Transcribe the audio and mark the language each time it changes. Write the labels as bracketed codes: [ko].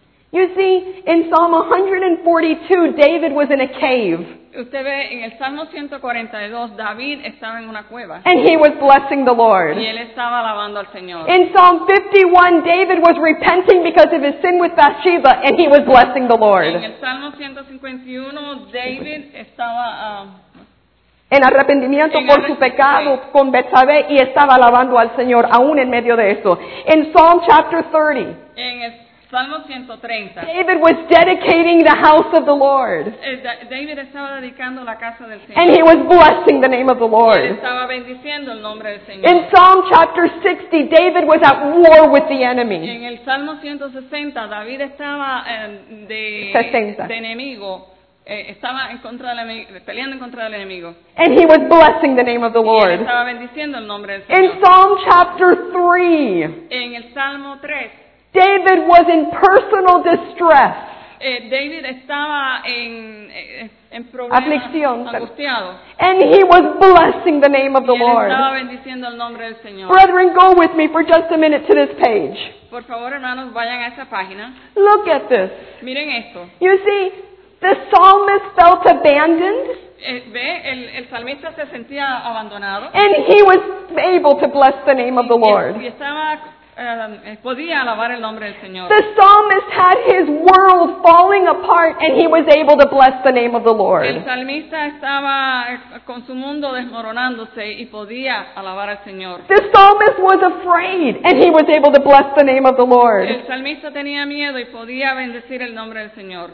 [en] You see, in Psalm 142, David was in a cave. [es] Usted ve, en el Salmo 142, David estaba en una cueva. [en] And he was blessing the Lord. [es] Y él estaba alabando al Señor. [en] In Psalm 51, David was repenting because of his sin with Bathsheba, and he was blessing the Lord. [es] En el Salmo 151, David estaba en arrepentimiento por su pecado con Betsabé y estaba alabando al Señor aún en medio de eso. [en] In Psalm chapter 30. [es] En el Salmo 130. [en] David was dedicating the house of the Lord. [es] David estaba dedicando la casa del Señor. [en] And he was blessing the name of the Lord. [es] Y él estaba bendiciendo el nombre del Señor. [en] In Psalm chapter 60, David was at war with the enemy. [es] En el Salmo 160, David estaba de enemigo. Estaba en contra del enemigo, peleando en contra del enemigo. [en] And he was blessing the name of the Lord. [es] Y él estaba bendiciendo el nombre del Señor. [en] In Psalm chapter 3. [es] En el Salmo 3. David was in personal distress. David estaba en problemas, aflicción, angustiado. [en] And he was blessing the name of the Lord. [es] Y él estaba bendiciendo el nombre del Señor. [en] Brethren, go with me for just a minute to this page. [es] Por favor, hermanos, vayan a esta página. [en] Look at this. [es] Miren esto. [en] You see, the psalmist felt abandoned. [es] El salmista se sentía abandonado. [en] And he was able to bless the name of the Lord. [es] Y estaba podía alabar el nombre del Señor. [en] The psalmist had his world falling apart and he was able to bless the name of the Lord. [es] El salmista estaba con su mundo desmoronándose y podía alabar al Señor. [en] The psalmist was afraid and he was able to bless the name of the Lord. [es] El salmista tenía miedo y podía bendecir el nombre del Señor.